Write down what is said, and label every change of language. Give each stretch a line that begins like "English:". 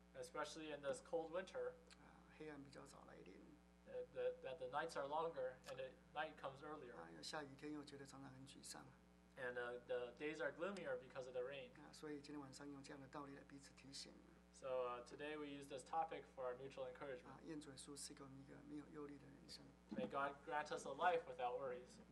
English: Especially in this cold winter.
Chinese: 黑暗比较早来临。
English: That the nights are longer and the night comes earlier.
Chinese: 下雨天又觉得常常很沮丧。
English: And the days are gloomier because of the rain.
Chinese: 所以今天晚上用这样的道理来彼此提醒。
English: So today we use this topic for our mutual encouragement.
Chinese: 愿主耶稣赐给我们一个没有忧虑的人生。
English: May God grant us a life without worries.